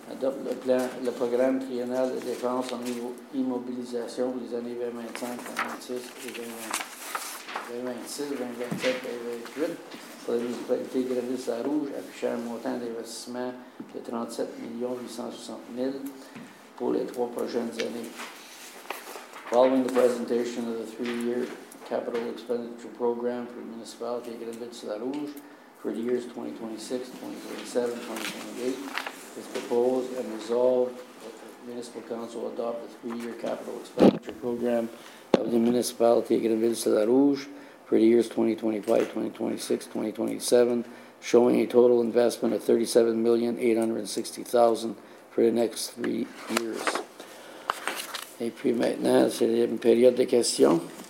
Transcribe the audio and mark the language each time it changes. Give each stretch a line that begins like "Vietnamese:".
French: Adopte le programme triennal de défense en immobilisation pour les années 2025-2026 et 2027-2028 pour la municipalité de Grenville-Sarrouge, affichant un montant d'investissement de 37 860 000 pour les trois prochaines années.
English: Following the presentation of the three-year capital expenditure program for the municipality of Grenville-Sarrouge for the years 2026-2027-2028, is proposed and resolved that the Municipal Council adopt the three-year capital expenditure program of the Municipality of Grenville-Sarrouge for the years 2025, 2026, 2027, showing a total investment of $37,860,000 for the next 3 years.
French: Et puis maintenant, c'est une période de questions.